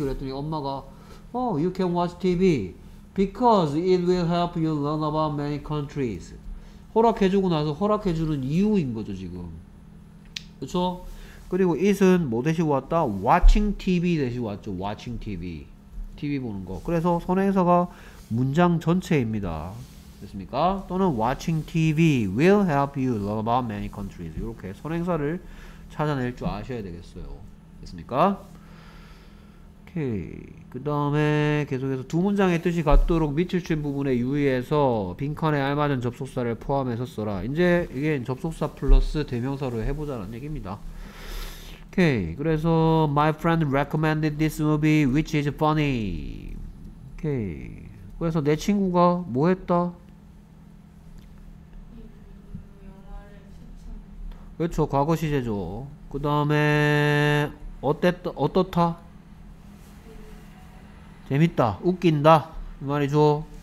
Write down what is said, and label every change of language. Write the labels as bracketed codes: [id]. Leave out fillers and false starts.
[ko] 그랬더니 엄마가 [en] Oh, you can watch TV because it will help you learn about many countries. [ko] 허락해주고 나서 허락해주는 이유인 거죠, 지금. 그렇죠? 그리고 it은 뭐 대신 왔다? [en] watching TV [ko] 대신 왔죠. watching TV. TV 보는 거. 그래서 선행사가 문장 전체입니다. 됐습니까? 또는 [en] watching TV will help you learn about many countries. [ko] 이렇게 선행사를 찾아낼 줄 아셔야 되겠어요. 됐습니까? 오케이. 그 다음에 계속해서 두 문장의 뜻이 같도록 밑줄 친 부분에 유의해서 빈칸에 알맞은 접속사를 포함해서 써라. 이제 이게 접속사 플러스 대명사로 해보자는 얘기입니다. 오케이. 그래서 [en] my friend recommended this movie which is funny. [ko] 오케이. 그래서 내 친구가 뭐 했다? 그렇죠. 과거 시제죠. 그 다음에 어떻다? 재밌다. 웃긴다. 이 말이죠.